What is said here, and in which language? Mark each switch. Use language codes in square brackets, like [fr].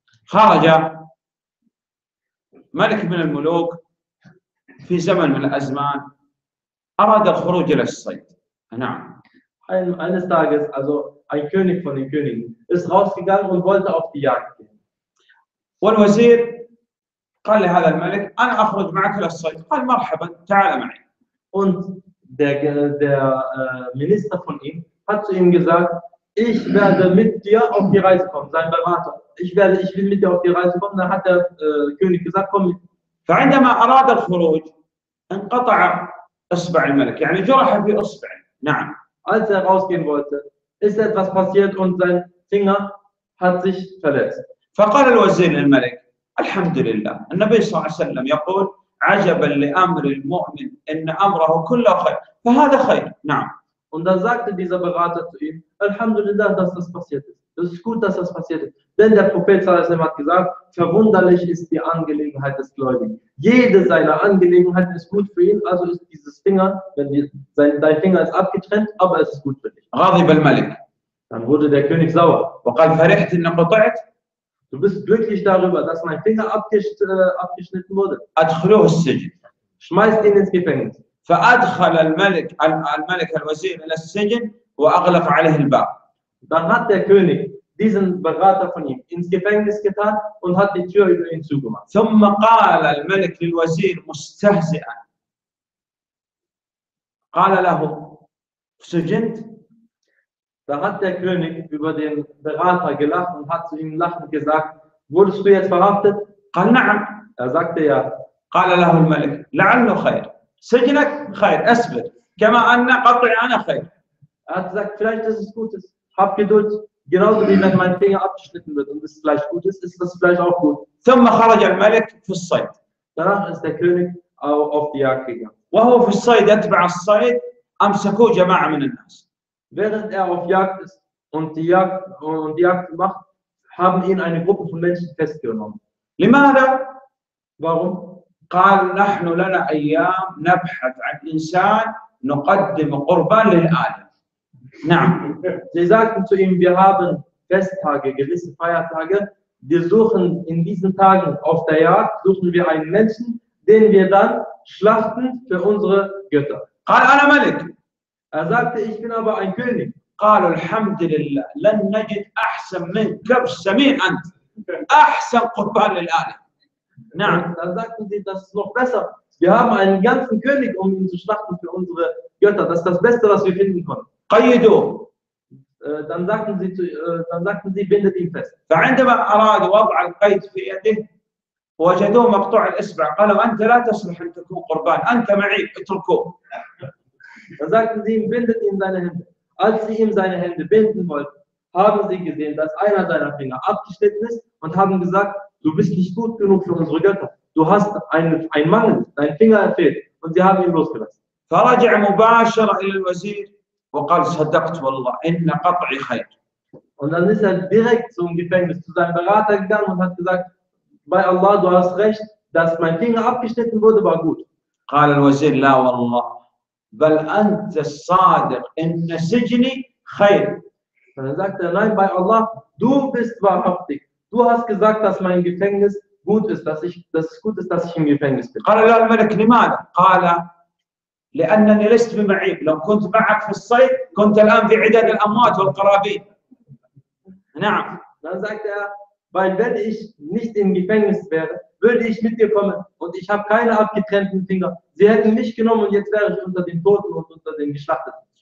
[ar] Haraja, Malik bin al-Muluk, fi zaman min al-Azman, أراد الخروج إلى الصيد. نعم. [de] Eines Tages, also ein König von den Königen, ist rausgegangen und wollte auf die Jagd gehen. [ar] والوزير قال لهذا الملك أنا أخرج معك إلى الصيد. قال مرحبا تعال معي. [de] Und der Minister von ihm hat zu ihm gesagt, ich werde mit dir auf die Reise kommen, sein Berater. Ich will mit dir auf die Reise kommen. Dann hat der König gesagt, komm mit. [ar] فعندما أراد الخروج انقطع أصبع الملك يعني جرح في أصبع نعم. [de] Als er rausgehen wollte, ist etwas passiert und sein Finger hat sich verletzt. [ar] فقال الوزير للملك الحمد لله النبي صلى الله عليه وسلم يقول عجبا لأمر المؤمن إن أمره كله خير فهذا خير نعم. [de] Und dann sagte dieser Berater zu ihm [ar] الحمد لله [de] dass das passiert ist. Das ist gut dass das passiert ist. Denn der Prophet [ar] صلى الله عليه وسلم [de] hat gesagt verwunderlich ist die Angelegenheit des Gläubigen. Jede seiner Angelegenheit ist gut für ihn, also ist dieses Finger, wenn dein Finger ist abgetrennt, aber es ist gut für dich. [ar] غضب الملك. [de] Dann wurde der König sauer. [ar] وقال فرحت إن قطعت. [de] Du bist glücklich darüber, dass mein Finger abgeschnitten wurde. [ar] أدخلوه السجن. [de] Schmeißt ihn ins Gefängnis. [ar] فأدخل الملك الوزير إلى السجن وأغلق عليه الباب. [de] Dann hat der König diesen Berater von ihm ins Gefängnis getan und hat die Tür über ihn zugemacht. [ar] ثم قال الملك للوزير مستهزئا قال له سجنت [de] Da hat der König über den Berater gelacht und hat zu ihm lachend gesagt, wurdest du jetzt verhaftet? [ar] قال نعم [de] Er sagte ja. [ar] قال له الملك لعله خير سجنك خير اصبر كما ان قطعي انا خير [de] Er hat gesagt, vielleicht ist es Gutes. Hab Geduld. Genauso wie wenn mein Finger abgeschnitten wird und es vielleicht gut ist, ist das vielleicht auch gut. [ar] ثم خرج الملك في الصيد. [de] Danach ist der König auf die Jagd gegangen. [ar] وهو في الصيد يتبع الصيد أمسكوه جماعة من الناس. [de] Während er auf Jagd ist und die Jagd macht, haben ihn eine Gruppe von Menschen festgenommen. [ar] لماذا؟ [de] Warum? [ar] قال نحن لنا أيام نبحث عن إنسان نقدم قربان للآلة. نعم. [de] Sie sagten zu ihm, wir haben Festtage, gewisse Feiertage. Wir suchen in diesen Tagen auf der Jagd, suchen wir einen Menschen, den wir dann schlachten für unsere Götter. [ar] قال أنا ملك. [de] Er sagte, ich bin aber ein König. [ar] قال الحمد لله لن نجد أحسن من كبس مين أنت أحسن قربان للآلة. نعم. [de] Dann sagten sie, das ist noch besser. Wir haben einen ganzen König, um ihn zu schlachten für unsere Götter. Das ist das Beste, was wir finden konnten. [ar] قيدوا [de] dann sagten sie bindet ihn fest [ar] فعندما اراد وضع القيد في يده وجدوه مقطوع الاصبع قالوا انت لا تصلح ان تكون قربان انت معي اتركوه [de] dann sagten sie bindet ihm seine hände als sie ihm seine hände binden wollten haben sie gesehen, dass einer deiner Finger abgeschnitten ist und haben gesagt, du bist nicht gut genug für unsere Götter. Du hast einen Mangel, dein Finger fehlt. Und sie haben ihn losgelassen. [ar] فرجع مباشرة إلى الوزير وقال صدقت والله إن قطعي خير. [de] Und dann ist er direkt zum Gefängnis zu seinem Berater gegangen und hat gesagt, bei Allah, du hast recht, dass mein Finger abgeschnitten wurde, war gut. [ar] قال الوزير لا والله بل أنت الصادق إن سجني خير. [de] Dann sagt er, nein, bei Allah, du bist wahrhaftig. Du hast gesagt, dass mein Gefängnis gut ist, dass ich im Gefängnis bin. [ar] قال الملك لماذا؟ قال لأنني لست بمعيب، لو كنت معك في الصيد كنت الآن في عدد الأموات والقرابين. نعم. [de] Dann sagte er, weil wenn ich nicht im Gefängnis wäre, würde ich mit dir kommen und ich habe keine abgetrennten Finger. Sie hätten mich genommen und jetzt wäre ich unter den Toten und unter den Geschlachteten.